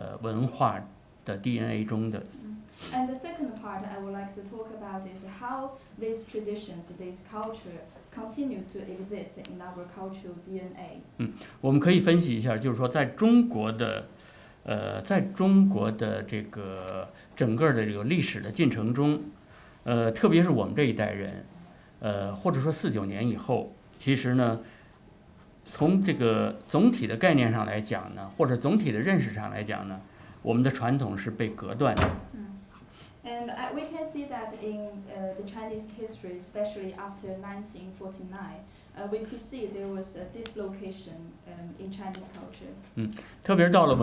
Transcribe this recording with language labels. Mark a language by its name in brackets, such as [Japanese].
[Chinese] 这些传统是怎么样遗传在我们的这个文化的DNA中的 [English] And the second part I would like to talk about is how these traditions, this culture continue to exist in our cultural DNA. [Chinese] 我们可以分析一下，就是说在中国的整个的这个历史的进程中，特别是我们这一代人，或者说49年以后，其实呢。从这个总体的概念上来讲呢，或者总体的认识上来讲呢，我们的传统是被隔断的。 [English] And we can see that in the Chinese history, especially after 1949, we could see there was a dislocation in Chinese culture.